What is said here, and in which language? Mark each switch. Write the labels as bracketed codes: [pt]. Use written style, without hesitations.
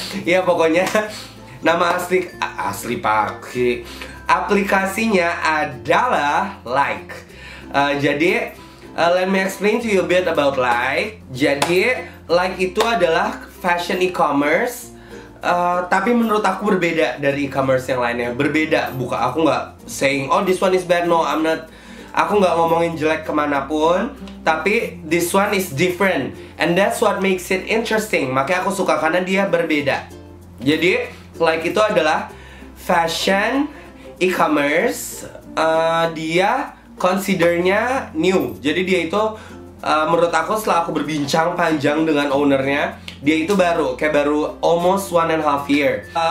[id] Ya pokoknya nama asli pake aplikasinya adalah Like. Jadi [en] let me explain to you a bit about Like. [id] Jadi Like itu adalah fashion e-commerce, tapi menurut aku berbeda dari e-commerce yang lainnya. Berbeda, bukan aku nggak [en] saying oh this one is bad. No, I'm not. [id] Aku nggak ngomongin jelek kemanapun. Tapi [en] this one is different and that's what makes it interesting. [id] Makanya aku suka karena dia berbeda. Jadi Like itu adalah fashion e-commerce. Dia considernya new. Jadi dia itu menurut aku setelah aku berbincang panjang dengan ownernya, dia itu baru, kayak baru [en] almost 1.5 years.